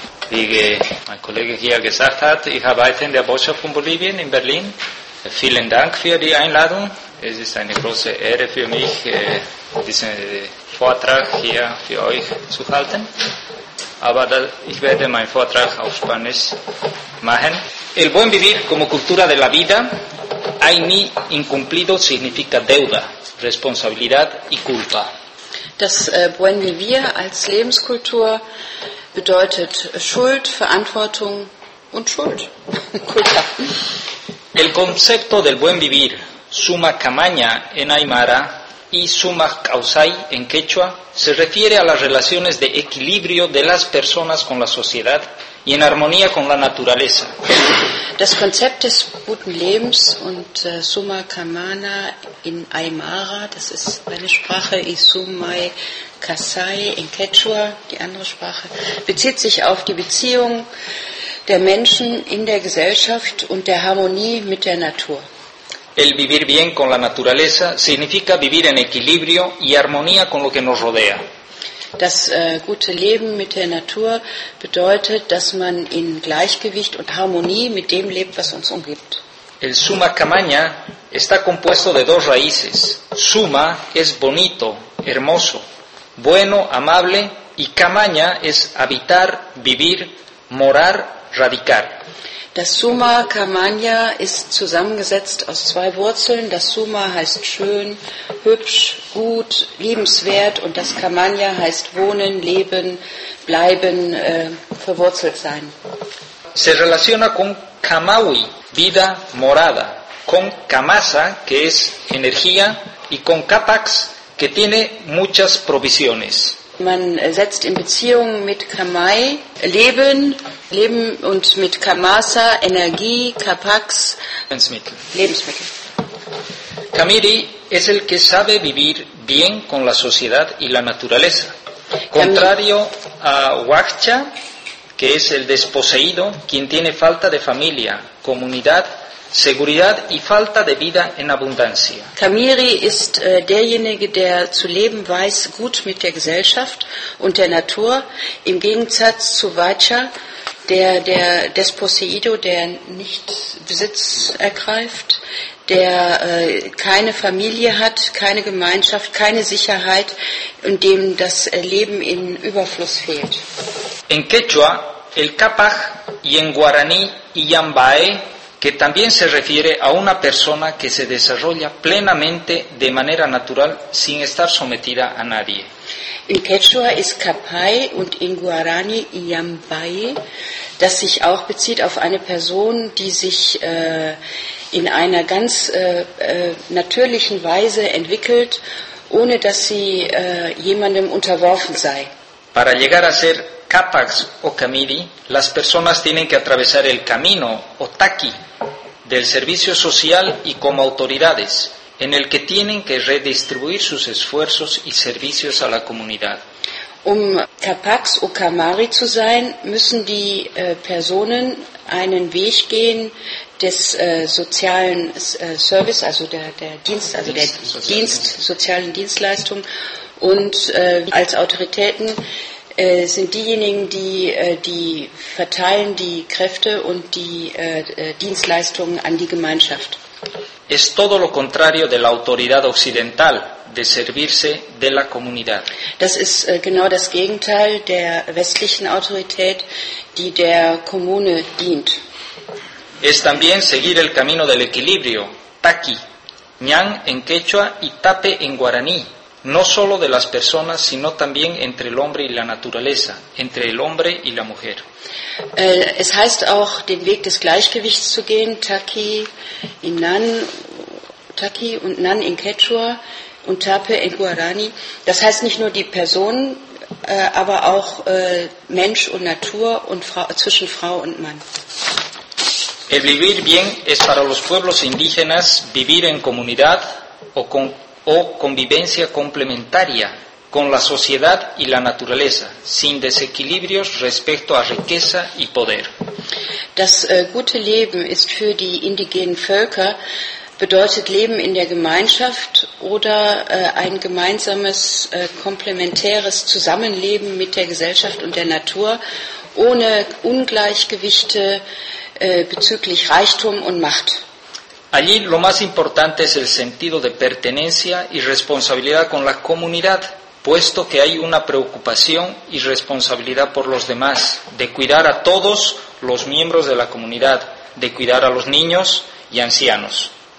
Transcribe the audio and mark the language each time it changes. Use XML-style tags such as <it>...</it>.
<de>Wie mein Kollege hier gesagt hat, ich arbeite in der Botschaft von Bolivien in Berlin. Vielen Dank für die Einladung. Es ist eine große Ehre für mich, diesen Vortrag hier für euch zu halten. Aber ich werde meinen Vortrag auf Spanisch machen.</de> <es>El buen vivir como cultura de la vida, ein nie incumplido significa deuda, responsabilidad y culpa.</es> <de>Das Buen Vivir als Lebenskultur bedeutet Schuld, Verantwortung und Schuld.</de> <es>Culpa. El concepto del buen vivir, suma camaña en Aymara y suma causay en Quechua, se refiere a las relaciones de equilibrio de las personas con la sociedad y en armonía con la naturaleza.</es> <de>Das Konzept des guten Lebens und suma camaña in Aymara, das ist eine Sprache, y sumay kasay in Quechua, die andere Sprache, bezieht sich auf die Beziehung der Menschen in der Gesellschaft und der Harmonie mit der Natur.</de> <es>El vivir bien con la naturaleza significa vivir en equilibrio y armonía con lo que nos rodea.</es> <de>Das gute Leben mit der Natur bedeutet, dass man in Gleichgewicht und Harmonie mit dem lebt, was uns umgibt.</de> <es>El suma camaña está compuesto de dos raíces. Suma es bonito, hermoso, bueno, amable y camaña es habitar, vivir, morar, radicar.</es> <de>Das Suma Camaña ist zusammengesetzt aus 2 Wurzeln. Das Suma heißt schön, hübsch, gut, liebenswert und das Camaña heißt wohnen, leben, bleiben, verwurzelt sein.</de> <es>Se relaciona con Camaui, vida morada, con Camasa, que es energía, y con Capax, que tiene muchas provisiones.</es> <de>Man setzt in Beziehung mit Kamai Leben und mit Kamasa Energie, Kapax Lebensmittel.</de> <es>Camiri es el que sabe vivir bien con la sociedad y la naturaleza. Contrario a Huaccha, que es el desposeído, quien tiene falta de familia, comunidad, seguridad y falta de vida en abundancia.</es> <de>Camiri ist derjenige, der zu leben weiß, gut mit der Gesellschaft und der Natur, im Gegensatz zu Vacha, der Desposeído, der nicht Besitz ergreift, der keine Familie hat, keine Gemeinschaft, keine Sicherheit und dem das Leben in Überfluss fehlt.</de> <es>En Quechua, el Capac y en Guaraní y Yambae que también se refiere a una persona que se desarrolla plenamente de manera natural sin estar sometida a nadie.</es> <de>In Quechua ist Kapai und in Guarani Yambaye, das sich auch bezieht auf eine Person, die sich in einer ganz natürlichen Weise entwickelt, ohne dass sie jemandem unterworfen sei.</de> <es>Para llegar a ser Capax o Camiri, las personas tienen que atravesar el camino o Taqui del servicio social y como autoridades, en el que tienen que redistribuir sus esfuerzos y servicios a la comunidad.</es> <de>Um Capax o Camari zu sein, müssen die Personen einen Weg gehen des sozialen Service, also der Dienst, also der Dienst, sozialen Dienstleistung, und als Autoritäten sind diejenigen, die verteilen die Kräfte und die Dienstleistungen an die Gemeinschaft.</de> <es>Es todo lo contrario de la autoridad occidental de servirse de la comunidad.</es> <de>Das ist genau das Gegenteil der westlichen Autorität, die der Kommune dient.</de> <es>Es también seguir el camino del equilibrio, taqui, ñan en quechua y tape en guaraní, no solo de las personas, sino también entre el hombre y la naturaleza, entre el hombre y la mujer.</es> <de>Es heißt auch, den Weg des Gleichgewichts zu gehen, taqui, ñan, taqui und ñan</de> <es>en quechua</es> <de>und</de> <es>tape en guaraní.</es> <de>Das heißt nicht nur die Personen, aber auch Mensch und Natur und Frau, zwischen Frau und Mann.</de> <es>El vivir bien es para los pueblos indígenas vivir en comunidad o convivencia complementaria con la sociedad y la naturaleza, sin desequilibrios respecto a riqueza y poder.</es> <de>Das gute Leben ist für die indigenen Völker, bedeutet Leben in der Gemeinschaft oder ein gemeinsames, komplementäres Zusammenleben mit der Gesellschaft und der Natur, ohne Ungleichgewichte bezüglich Reichtum und Macht.</de> <es>Allí lo más importante es el sentido de pertenencia y responsabilidad con la comunidad, puesto que hay una preocupación y responsabilidad por los demás, de cuidar a todos los miembros de la comunidad, de cuidar a los niños y ancianos.</es>